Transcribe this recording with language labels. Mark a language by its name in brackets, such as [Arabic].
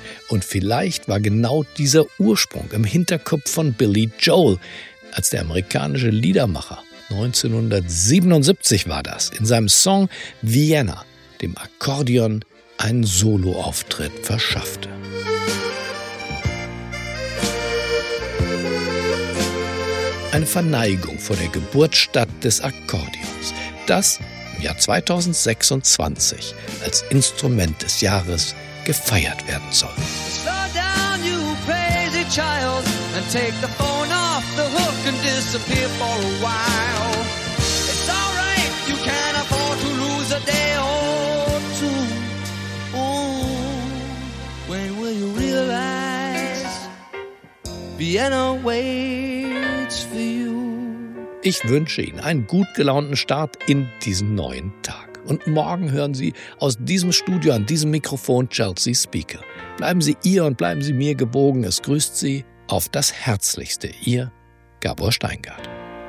[German] Und vielleicht war genau dieser Ursprung im Hinterkopf von Billy Joel, als der amerikanische Liedermacher, 1977 war das, in seinem Song Vienna, dem Akkordeon, einen Soloauftritt verschaffte. Eine Verneigung vor der Geburtsstadt des Akkordeons. Das im Jahr 2026 als Instrument des Jahres gefeiert werden soll. [English] Slow down, you crazy child, and take the phone off the hook and disappear for a while. It's all right, you can't afford to lose a day. When will you realize Vienna waits for you? [German] Ich wünsche Ihnen einen gut gelaunten Start in diesen neuen Tag. Und morgen hören Sie aus diesem Studio an diesem Mikrofon Chelsea Speaker. Bleiben Sie ihr und bleiben Sie mir gebogen. Es grüßt Sie auf das Herzlichste. Ihr Gabor Steingart.